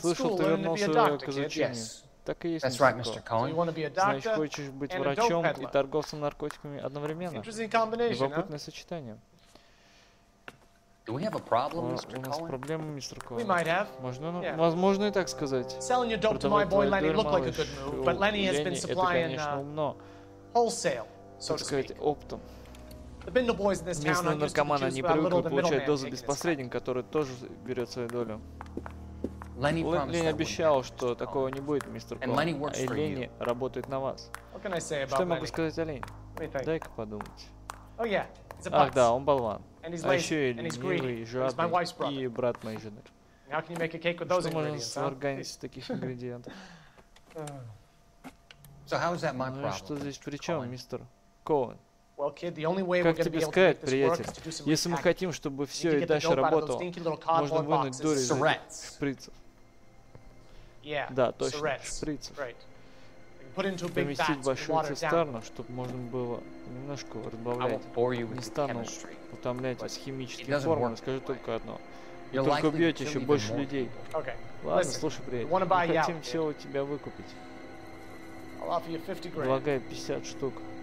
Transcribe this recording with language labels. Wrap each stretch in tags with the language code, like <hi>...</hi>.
<ru>Слышал, ты вернулся в казачение. Так и есть.</ru> <en>That's right, Mr. Cohen.</en> <ru>Значит, хочешь быть врачом и торговцем наркотиками одновременно? Любопытное сочетание.</ru> <en>Do we have a problem, Mr. Cohen?</en> <ru>У нас проблема, мистер Коэн.</ru> <en>We might have.</en> <ru>Можно, возможно, и так сказать.</ru> <en>Selling your dope to my boy Lenny looked like a good move, but Lenny has been supplying wholesale, so to speak.</en> <ru>Оптом. Местные наркоманы не привыкли получать дозы без посредника, который тоже берет свою долю. Ленни обещал, что такого не будет, мистер Коэн, а Ленни работает на вас. Что я могу сказать о Ленни? Дай-ка подумать. Ах да, он болван. А еще и милый, жадный, и брат моей жены. Что можно сварганить с таких ингредиентов? Ну и что здесь при чем, мистер Коэн?</ru> <en>Well, kid, the only way we're going to be able to make this work is to do some more packages. If we want to get the dope out of those stinky little cardboard boxes, syrettes. Yeah, syrettes. Right. Put into a big vat and water down.</en> <ru>Цистерну, чтобы можно было немножко разбавлять. Не стану утомлять вас химическими формами. Скажу только одно. И только убьете еще больше людей. Ладно, слушай, приятель. Мы хотим все у тебя выкупить. Предлагаю 50 штук.</ru>